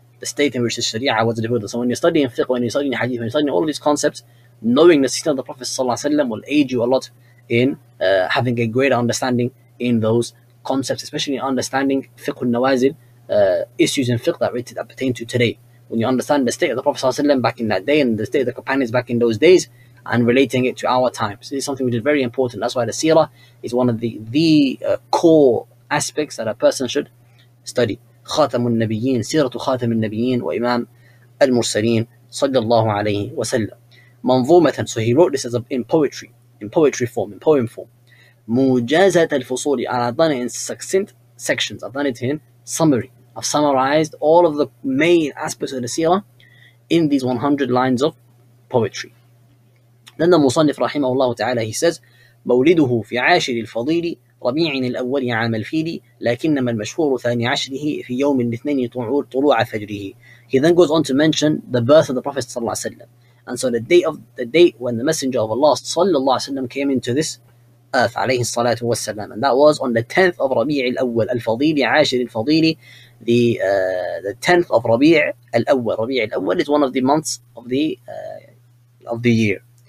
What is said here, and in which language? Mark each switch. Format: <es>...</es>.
<en>The state in which the Sharia was revealed. So when you're studying fiqh, when you're studying hadith, when you're studying all these concepts, knowing the seerah of the Prophet ﷺ will aid you a lot in having a greater understanding in those concepts, especially understanding fiqh al-nawazil, issues in fiqh that pertain to today. When you understand the state of the Prophet ﷺ back in that day and the state of the companions back in those days and relating it to our times, this is something which is very important. That's why the seerah is one of the core aspects that a person should study.</en> <ar>خاتم النبيين, سيرة خاتم النبيين وإمام المرسلين صلى الله عليه وسلم.</ar> <en>منظومة, so he wrote this as in poem form.</en> <ar>موجازة الفصول,</ar> <en>and I've done it in succinct sections, I've done it in summary, I've summarized all of the main aspects of the seerah in these 100 lines of poetry. Then the</en> <ar>مصنف رحمه الله تعالى,</ar> <en>he says</en> <ar>مولده في عاشر الفضيل ربيع الأول عام الفيل لكنما المشهور ثاني عشره في يوم الاثنين طلوع فجره.</ar> <en>He then goes on to mention the birth of the Prophet صلى الله عليه وسلم. And so the date when the Messenger of Allah sallallahu alaihi wasallam came into this earth alayhi salatu wasallam, and that was on the 10th of Rabi' al-Awwal al-Fadil, Ashir al-Fadil, the 10th of Rabi' al-Awwal. Rabi' al-Awwal is one of the months of the year.</en>